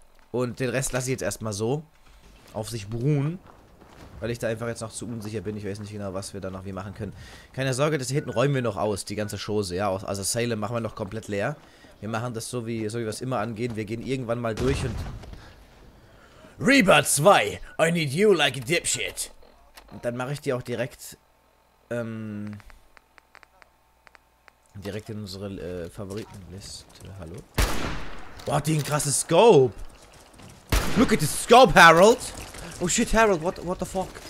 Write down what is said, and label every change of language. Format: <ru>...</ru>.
<de>Und den Rest lasse ich jetzt erstmal so auf sich beruhen. Weil ich da einfach jetzt noch zu unsicher bin. Ich weiß nicht genau, was wir da noch wie machen können. Keine Sorge, das hier hinten räumen wir noch aus, die ganze Chose. Ja, also Salem machen wir noch komplett leer. Wir machen das so wie wir es immer angehen. Wir gehen irgendwann mal durch und...</de> <en>Reba 2, I need you like a dipshit.</en> <de>Und dann mache ich die auch direkt... direkt in unsere Favoritenliste. Hallo? Boah, die ein krasses Scope.</de> <en>Look at the scope, Harold! Oh shit, Harold, what the fuck?</en>